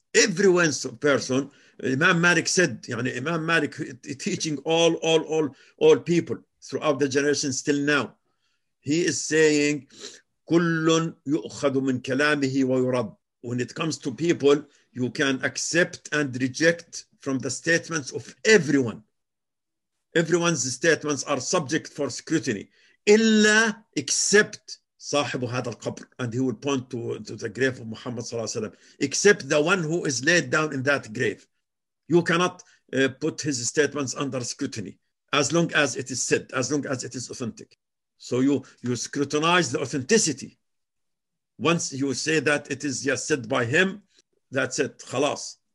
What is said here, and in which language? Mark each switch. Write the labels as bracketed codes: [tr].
[en] Everyone's person, Imam Malik said, Imam Malik teaching all people throughout the generation still now. He is saying, [ar] كُلٌّ يُؤْخَذُ مِنْ كَلَامِهِ وَيُرَبْ. [en] When it comes to people, you can accept and reject from the statements of everyone. Everyone's statements are subject for scrutiny. [ar] إِلَّا except صاحب هذا القبر. [en] And he will point to the grave of Muhammad [ar] صلى الله عليه وسلم. [en] Except the one who is laid down in that grave. You cannot put his statements under scrutiny as long as it is said, as long as it is authentic. So you scrutinize the authenticity. Once you say that it is just said by him, that's it, khalas.